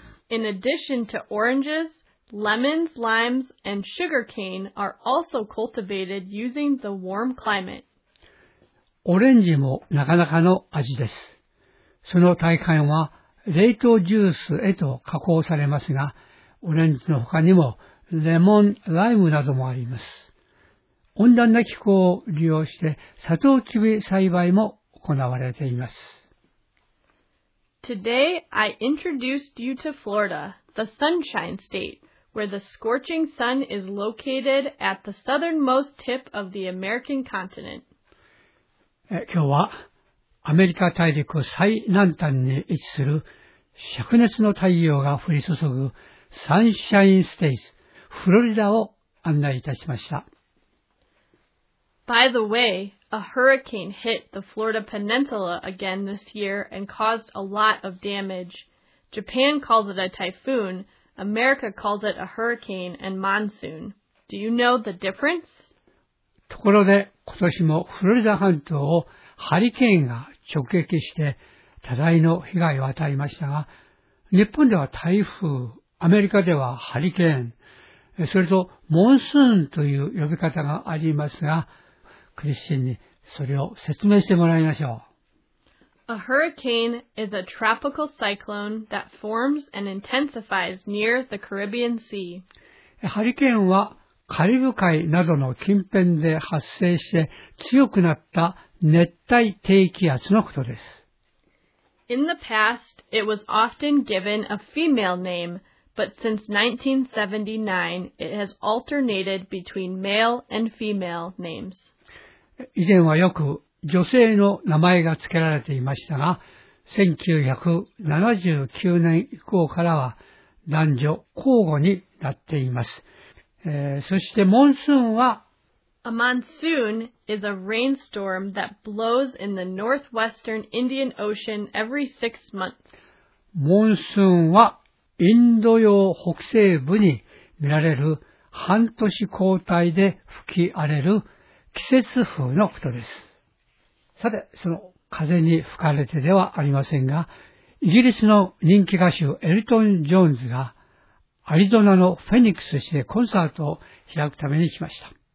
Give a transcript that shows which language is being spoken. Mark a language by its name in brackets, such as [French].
[English] In addition to oranges,Lemons, limes, and sugar cane are also cultivated using the warm climate. [Japanese] オレンジもなかなかの味です。その大半は冷凍ジュースへと加工されますが、オレンジの他にもレモン、ライムなどもあります。温暖な気候を利用してサトウキビ栽培も行われています。 [English] Today, I introduced you to Florida, the Sunshine State. Where the scorching sun is located at the southernmost tip of the American continent. [Japanese] 今日はアメリカ大陸最南端に位置する灼熱の太陽が降り注ぐサンシャインステイツ、フロリダを案内いたしました。 [English] By the way, a hurricane hit the Florida Peninsula again this year and caused a lot of damage. Japan calls it a typhoon. America calls it a hurricane and monsoon. Do you know the difference? [Japanese] ところで、今年もフロリダ半島をハリケーンが直撃して多大の被害を与えましたが、日本では台風、アメリカではハリケーン、それとモンスーンという呼び方がありますが、クリスチンにそれを説明してもらいましょう。 [English] A hurricane is a tropical cyclone that forms and intensifies near the Caribbean Sea. [Japanese] ハリケーンはカリブ海などの近辺で発生して強くなった熱帯低気圧のことです。 [English] In the past, it was often given a female name, but since 1979, it has alternated between male and female names. [Japanese] 以前はよく女性の名前が付けられていましたが、1979年以降からは男女交互になっています。そしてモンスーンは、 [English] A monsoon is a rainstorm that blows in the northwestern Indian Ocean every six months. [Japanese] モンスーンはインド洋北西部に見られる半年交代で吹き荒れる季節風のことです。さて、その風に吹かれてではありませんが、イギリスの人気歌手エルトン・ジョーンズがアリゾナのフェニックス市でコンサートを開くために来ました。